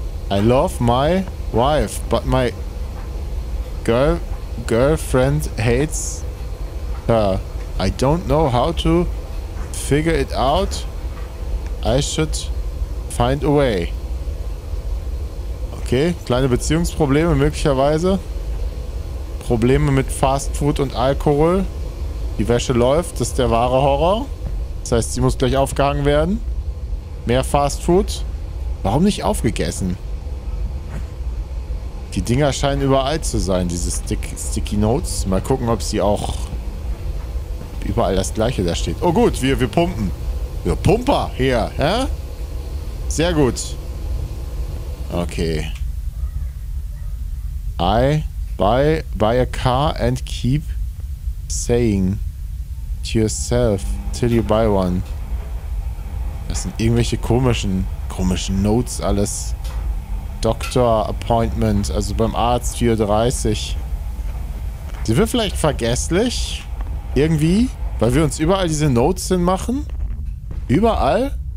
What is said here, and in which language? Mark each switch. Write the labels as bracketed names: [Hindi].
[English] I love my wife, but my girlfriend hates her. I don't know how to figure it out. I should find a way. [German] Okay, kleine Beziehungsprobleme möglicherweise. Probleme mit Fastfood und Alkohol. Die Wäsche läuft, das ist der wahre Horror. Das heißt, sie muss gleich aufgehangen werden. Mehr Fastfood. Warum nicht aufgegessen? Die Dinger scheinen überall zu sein, diese Sticky Notes. Mal gucken, ob sie auch überall das Gleiche da steht. Oh gut, wir pumpen. Wir Pumper hier, hä? Sehr gut. [English] Okay. I buy a car and keep saying to yourself till you buy one. [German] Das sind irgendwelche komischen Notes alles. [English] Doctor Appointment, [German] also beim Arzt 4:30. Sind wir vielleicht vergesslich? Irgendwie? Weil wir uns überall diese Notes hinmachen? Überall?